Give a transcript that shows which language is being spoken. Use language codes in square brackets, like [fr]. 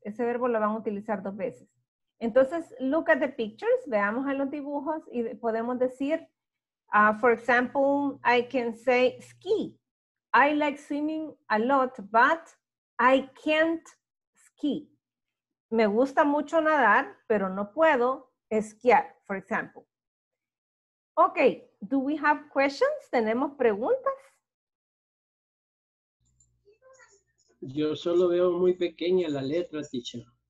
[es] Ese verbo lo van a utilizar dos veces. Entonces, [en] look at the pictures. [es] Veamos en los dibujos y podemos decir, [en] for example, I can say ski. I like swimming a lot, but I can't ski. [es] Me gusta mucho nadar, pero no puedo esquiar, [en] for example. Okay, do we have questions? [es] ¿Tenemos preguntas? Yo solo veo muy pequeña la letra, teacher.